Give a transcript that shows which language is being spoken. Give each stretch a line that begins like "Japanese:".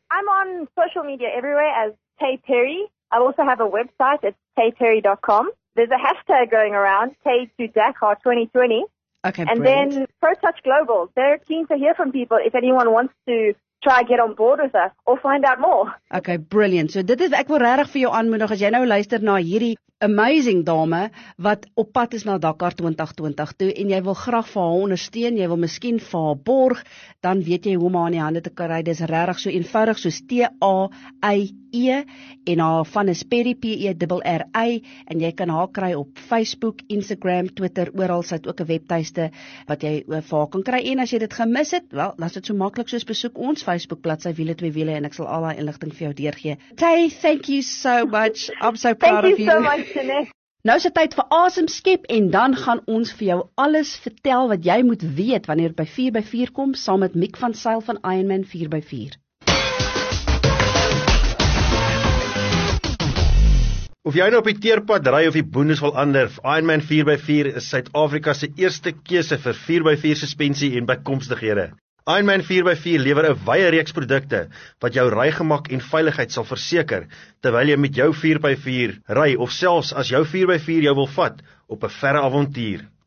English: I'm on social media everywhere as Tay Perry. I also have a website. It's tayperry.com. There's a hashtag going around, Tay to Dakar 2020. Okay, and brilliant. Then ProTouch Global, they're keen to hear from people if anyone wants to try get on board with us or find out more. Okay, brilliant.
Afrikaans: So dit is, ek wil regtig vir jou aanmoedig, as jy nou luister na hierdie amazing dame wat op pad is na Dakar 2020 toe en jy wil graag vir haar ondersteun, jy wil miskien vir haar borg, dan weet jy hoe om haar in die hande te kry. Dis regtig so eenvoudig soos TAIE en haar van is Perry, PERRY, en jy kan haar kry op Facebook, Instagram, Twitter, oral. Sy het ook 'n webtuiste wat jy vir haar kan kry, en as jy dit gemis het, wel, laat dit so maklik soos besoek ons Facebook bladsy Wiele 2 Wiele, en ek sal al daai inligting vir jou deurgee.
English: Tay, thank you so much. I'm so proud of you. Thank you so much.
Afrikaans: Nou is het tijd voor Awesome Skip, en dan gaan ons vir jou alles vertel wat jy moet weet wanneer het by 4x4 kom, saam met Mick van Sail van Ironman 4x4. Of jy nou op die teerpad ry of die boendes wil ander, Ironman 4x4 is Suid-Afrika se eerste keuse vir 4x4 suspensie en bykomstighede. Ironman 4x4 lewer 'n wye reeks produkte wat jou rygemak en veiligheid sal verseker terwyl jy met jou 4x4 ry of selfs as jou 4x4 jou wil vat op 'n verre avontuur.